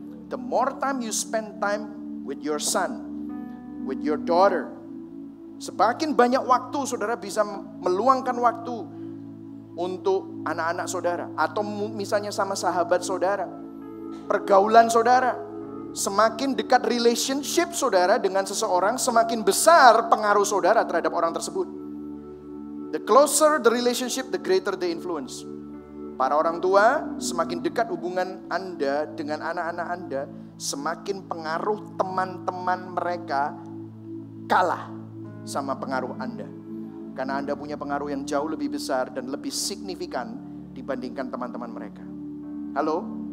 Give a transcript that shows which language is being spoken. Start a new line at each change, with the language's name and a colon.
English: The more time you spend time with your son, with your daughter,
Indonesian: semakin banyak waktu Saudara bisa meluangkan waktu untuk anak-anak Saudara. Atau misalnya sama sahabat Saudara. Pergaulan Saudara. Semakin dekat relationship Saudara dengan seseorang, semakin besar pengaruh Saudara terhadap orang tersebut.
English: The closer the relationship, the greater the influence.
Indonesian: Para orang tua, semakin dekat hubungan Anda dengan anak-anak Anda, semakin pengaruh teman-teman mereka kalah sama pengaruh Anda. Karena Anda punya pengaruh yang jauh lebih besar dan lebih signifikan dibandingkan teman-teman mereka. Halo?